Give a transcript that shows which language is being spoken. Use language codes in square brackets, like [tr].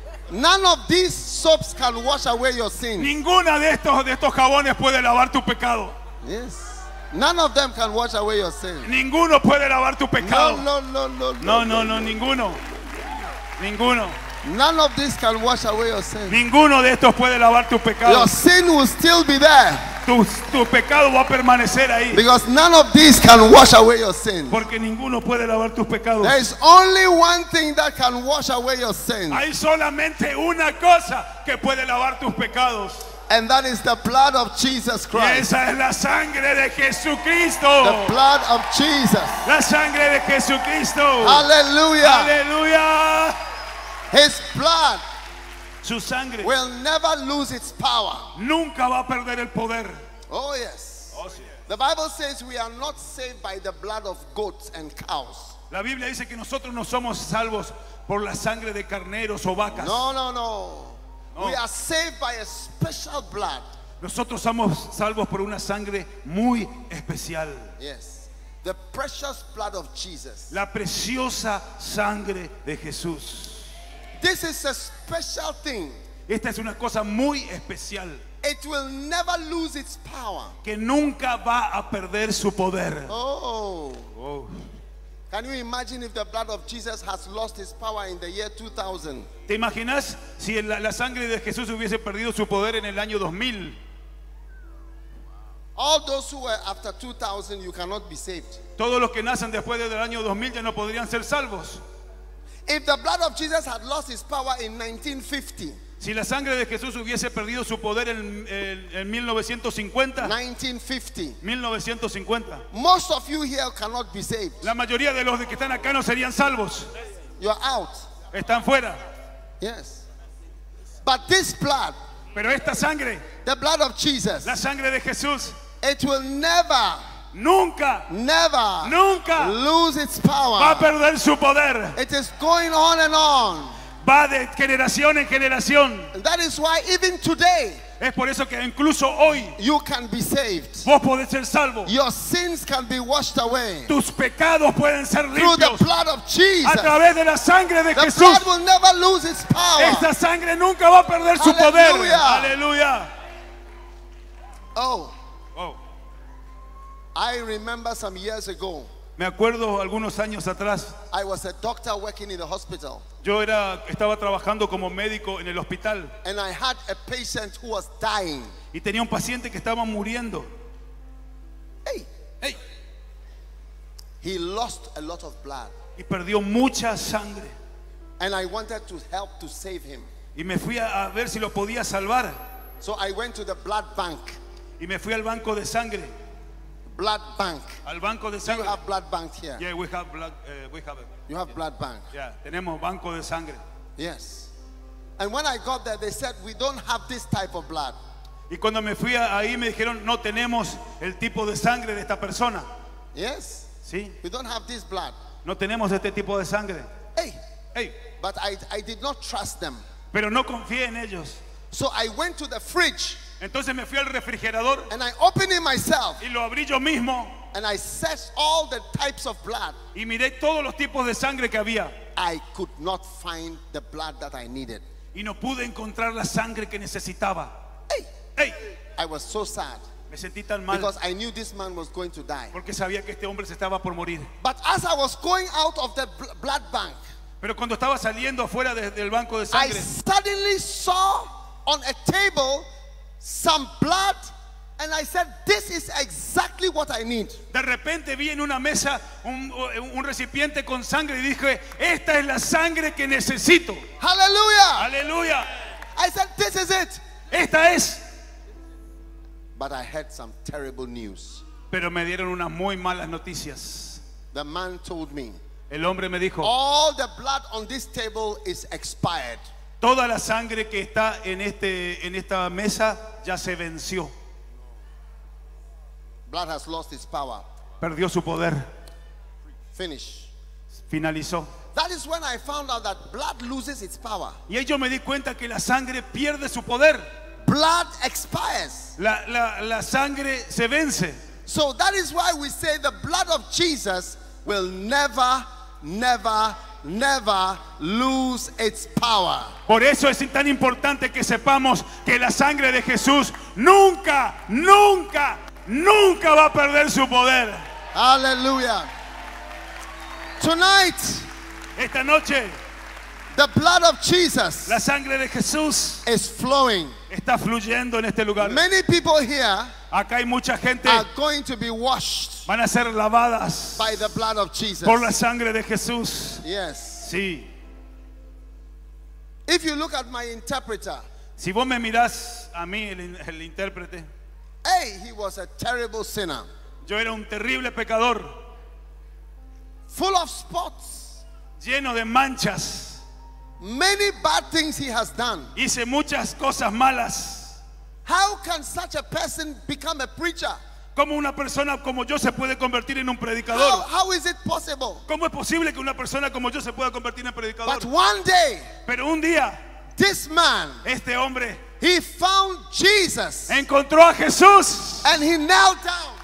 [en] None of these soaps can wash away your sins. [es] Ninguna de estos jabones puede lavar tu pecado. [en] Yes. None of them can wash away your sins. [es] Ninguno puede lavar tu pecado. No, ninguno. Ninguno. [en] None of these can wash away your sins. [es] Ninguno de estos puede lavar tu pecado. [en] Your sin will still be there. [es] Tu pecado va a permanecer ahí. [en] Because none of these can wash away your sins. [es] Porque ninguno puede lavar tus pecados. [en] There is only one thing that can wash away your sins. [es] Hay solamente una cosa que puede lavar tus pecados. [en] And that is the blood of Jesus Christ. [es] Y esa es la sangre de Jesucristo. [en] The blood of Jesus. [es] La sangre de Jesucristo. [en] Hallelujah. Hallelujah. His blood. [es] Su sangre. [en] Will never lose its power. [es] Nunca va a perder el poder. [en] Oh yes. [es] Oh sí. [en] The Bible says we are not saved by the blood of goats and cows. [es] La Biblia dice que nosotros no somos salvos por la sangre de carneros o vacas. [en] No. We are saved by a special blood. [es] Nosotros somos salvos por una sangre muy especial. [en] Yes. The precious blood of Jesus. [es] La preciosa sangre de Jesús. [en] This is a special thing. [es] Esta es una cosa muy especial. [en] It will never lose its power. [es] Que nunca va a perder su poder. Oh. Oh. [en] Can you imagine if the blood of Jesus has lost its power in the year 2000? [es] ¿Te imaginas si la sangre de Jesús hubiese perdido su poder en el año 2000? [en] All those who were after 2000, you cannot be saved. [es] Todos los que nacen después del año 2000 ya no podrían ser salvos. [en] If the blood of Jesus had lost its power in 1950. [es] Si la sangre de Jesús hubiese perdido su poder en 1950. [en] 1950. Most of you here cannot be saved. [es] La mayoría de los que están acá no serían salvos. [en] You are out. [es] Están fuera. [en] Yes. But this blood. [es] Pero esta sangre. [en] The blood of Jesus. [es] La sangre de Jesús. [en] It will never. [es] Nunca. [en] Never. [es] Nunca. [en] Lose its power. [es] Va a perder su poder. [en] It is going on and on. [es] Va de generación en generación. [en] That is why even today, [es] es por eso que incluso hoy, [en] you can be saved. [es] Vos podés ser salvo. [en] Your sins can be washed away. [es] Tus pecados pueden ser limpios. [en] Through the blood of Jesus. [es] A través de la sangre de [en] the [es] Jesús. [en] Blood will never lose its power. [es] Esta sangre nunca va a perder su poder. Aleluya. [en] Oh. I remember some years ago. [es] Me acuerdo algunos años atrás. [en] I was a doctor working in the hospital. [es] Yo era, estaba trabajando como médico en el hospital. [en] And I had a patient who was dying. [es] Y tenía un paciente que estaba muriendo. Hey. Hey. [en] He lost a lot of blood. [es] Y perdió mucha sangre. [en] And I wanted to help to save him. [es] Y me fui a ver si lo podía salvar. [en] So I went to the blood bank. [es] Y me fui al banco de sangre. [en] Blood bank. [es] Al banco de sangre. [en] You have blood banks here. Yeah, we have blood. We have. You have blood bank. [es] Yeah, tenemos banco de sangre. [en] Yes. And when I got there, they said we don't have this type of blood. [es] Y cuando me fui ahí me dijeron no tenemos el tipo de sangre de esta persona. [en] Yes. [es] Sí. [en] We don't have this blood. [es] No tenemos este tipo de sangre. Hey. Hey. [en] But I did not trust them. [es] Pero no confié en ellos. [en] So I went to the fridge. [es] Entonces me fui al refrigerador. [en] And I opened it myself. [es] Y lo abrí yo mismo. [en] And I searched all the types of blood. [es] Y miré todos los tipos de sangre que había. [en] I could not find the blood that I needed. [es] Y no pude encontrar la sangre que necesitaba. Hey. Hey. [en] I was so sad. [es] Me sentí tan mal. [en] Because I knew this man was going to die. [es] Porque sabía que este hombre se estaba por morir. [en] But as I was going out of the blood bank. [es] Pero cuando estaba saliendo afuera del banco de sangre, [en] I suddenly saw on a table some blood, and I said, "This is exactly what I need." [es] De repente vi en una mesa un recipiente con sangre y dije, "Esta es la sangre que necesito." [en] Hallelujah! Hallelujah! I said, "This is it." [es] Esta es. [en] But I had some terrible news. [es] Pero me dieron unas muy malas noticias. [en] The man told me. [es] El hombre me dijo, [en] all the blood on this table is expired. [es] Toda la sangre que está en esta mesa ya se venció. [en] Blood has lost its power. [es] Perdió su poder. [en] Finish. [es] Finalizó. [en] That is when I found out that blood loses its power. [es] Y ahí yo me di cuenta que la sangre pierde su poder. [en] Blood expires. [es] La sangre se vence. [en] So that is why we say the blood of Jesus will never, never, never lose its power. [es] Por eso es tan importante que sepamos que la sangre de Jesús nunca, nunca, nunca va a perder su poder. [en] Hallelujah. Tonight, [es] esta noche, [en] the blood of Jesus, [es] la sangre de Jesús, [en] is flowing. [es] Está fluyendo en este lugar. [en] Many people here. [es] Acá hay mucha gente. [en] Are going to be washed. [es] Van a ser lavadas. [en] By the blood of Jesus. [es] Por la sangre de Jesús. [en] Yes. [es] Sí. [en] If you look at my interpreter. [es] Si vos me mirás a mí el intérprete. [en] Hey, he was a terrible sinner. [es] Yo era un terrible pecador. [en] Full of spots. [es] Lleno de manchas. [en] Many bad things he has done. [es] Hice muchas cosas malas. [en] How can such a person become a preacher? [es] ¿Cómo una persona como yo se puede convertir en un predicador? [en] How is it possible? [es] ¿Cómo es posible que una persona como yo se pueda convertir en predicador? [en] But one day, [es] pero un día, [en] this man, [es] este hombre, [en] he found Jesus, [es] encontró a Jesús, [en] and he knelt down,